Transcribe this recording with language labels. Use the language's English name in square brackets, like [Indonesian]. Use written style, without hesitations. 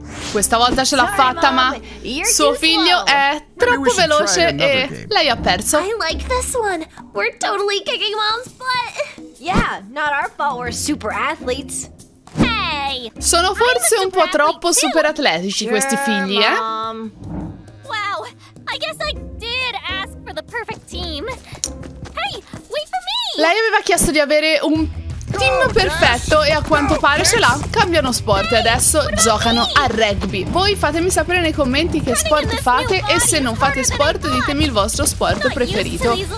[Italian] Questa volta ce l'ha fatta, ma suo figlio è troppo veloce e lei ha perso. [English] I like this one. We're totally kicking mom's butt. Yeah, not our fault we're super athletes. Hey! [Italian] Sono forse un po' troppo super atletici questi figli, eh? [English] Wow, I guess I did ask for the perfect team. Hey, wait for me! [Italian] Lei aveva chiesto di avere un team perfetto e a quanto pare ce l'ha. Cambiano sport e adesso giocano a rugby. Voi fatemi sapere nei commenti che sport fate e se non fate sport ditemi il vostro sport preferito.